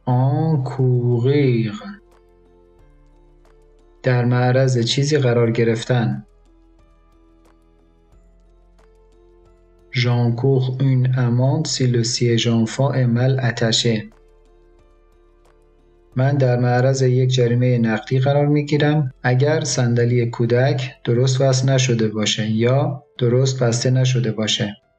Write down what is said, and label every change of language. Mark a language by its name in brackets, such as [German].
[Persian] Encourir در معرض چیزی قرار گرفتن. [French] J'encours une amende si le siège enfant est mal attaché. [Persian] من در معرض یک جریمه نقدی قرار می گیرم اگر صندلی کودک درست وصل نشده باشه یا درست بسته نشده باشه.